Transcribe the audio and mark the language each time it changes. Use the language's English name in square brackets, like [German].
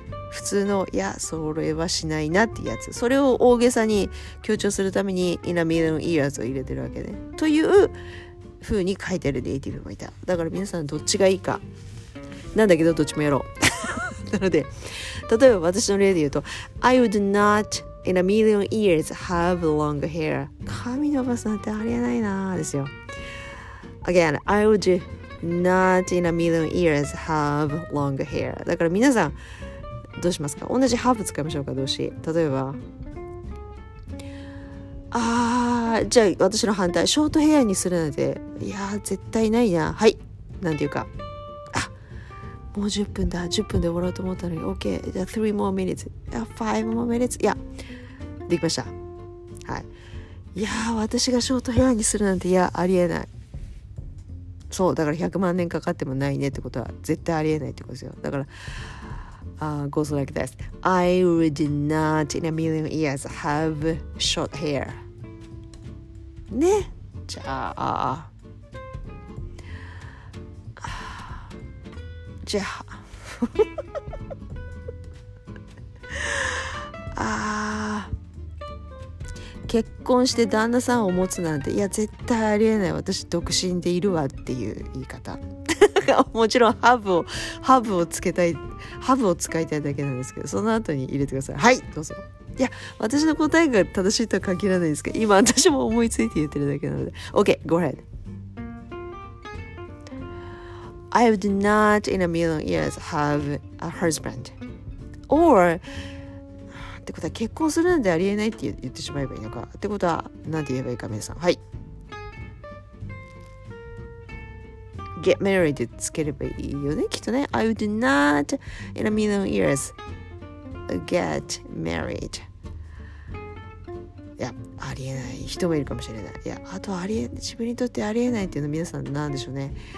[Japanese] 普通の、いやそれはしないなってやつ、それを大げさに強調するために in a million years を入れてるわけね、という風に書いてるネイティブもいた。だから皆さんどっちがいいかなんだけど、どっちもやろうなので、例えば私の例で言うと、 I would notIn a million years, have long hair. 髪伸ばすなんてありえないなーですよ。 [English] Again, I would not in a million years have long hair. [Japanese] だから皆さん、どうしますか？同じ have 使いましょうか、動詞。例えば、あー、じゃあ私の反対、ショートヘアにするなんて、いやー絶対ないな、はい、なんていうか、あ、もう10分だ、10分で終わろうと思ったのに、 OK、 じゃあ 3 more minutes、 5 more minutes、いや、できました、はい、いやー私がショートヘアにするなんて、いやありえない、そうだから100万年かかってもないねってことは絶対ありえないってことですよ。 [English] だから goes like this. I would not in a million years have short hair. [Japanese] ね。じゃあ、じゃあ、ああ、結婚して旦那さんを持つなんて、いや絶対ありえない。私独身でいるわっていう言い方。もちろんハブをつけたい、ハブを使いたいだけなんですけど、その後に入れてください、はいどうぞ。いや私の答えが正しいとは限らないんですけど、今私も思いついて言ってるだけなので OK go ahead。 I would not in a million years have a husband or ってことは結婚するなんてありえないって言ってしまえばいいのか、ってことは何て言えばいいか、皆さん、はい、 Get married つければいいよね、きっとね。 [English] I would not in a million years get married。 [Japanese] いや、ありえない人もいるかもしれない。 いや、あとありえ、自分にとってありえないっていうの、皆さんなんでしょうね。